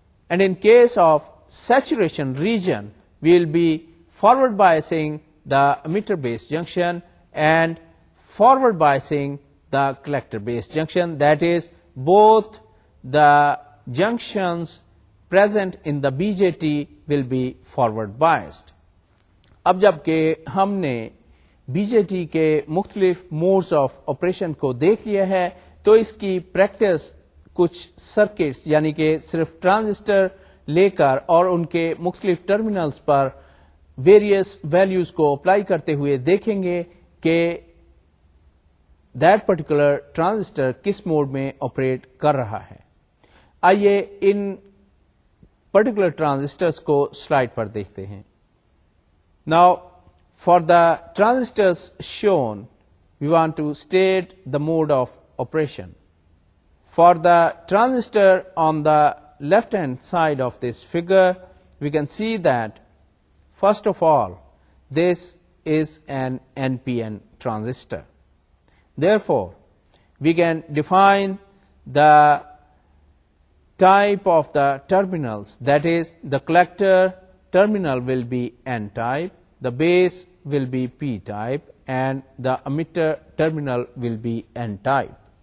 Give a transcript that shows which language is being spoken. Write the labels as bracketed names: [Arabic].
[English] And in case of saturation region, we will be forward biasing the emitter base junction and forward biasing the collector base junction. That is, both the junctions present in the BJT will be forward biased. [Urdu] اب جبکہ ہم نے B J T کے مختلف modes of operation کو دیکھ لیا ہے تو اس کی پریکٹس کچھ سرکٹس یعنی کہ صرف ٹرانزسٹر لے کر اور ان کے مختلف ٹرمینلز پر ویریئس ویلیوز کو اپلائی کرتے ہوئے دیکھیں گے کہ دیٹ پرٹیکولر ٹرانزسٹر کس موڈ میں آپریٹ کر رہا ہے. آئیے ان پرٹیکولر ٹرانزسٹرز کو سلائیڈ پر دیکھتے ہیں. [English] Now for the transistors shown we want to state the mode of operation. For the transistor on the left hand side of this figure we can see that first of all this is an N P N transistor. Therefore, we can define the type of the terminals. That is, the collector terminal will be N-type, the base will be P-type, and the emitter terminal will be N-type.